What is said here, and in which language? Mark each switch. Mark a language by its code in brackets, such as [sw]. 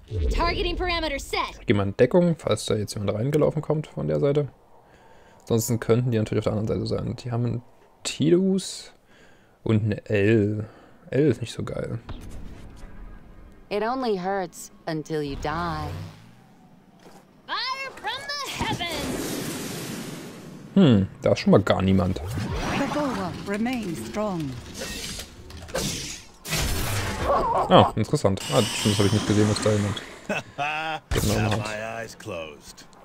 [en] Targeting Parameter set. [de] Geh mal in Deckung, falls da jetzt jemand reingelaufen kommt von der Seite. Ansonsten könnten die natürlich auf der anderen Seite sein. Die haben einen Tidus und eine L. L ist nicht so geil. [en] It only hurts until you die. Fire from the heavens. [de] Da ist schon mal gar niemand. Ah, interessant. Ah, das habe ich nicht gesehen, was da jemand genommen hat.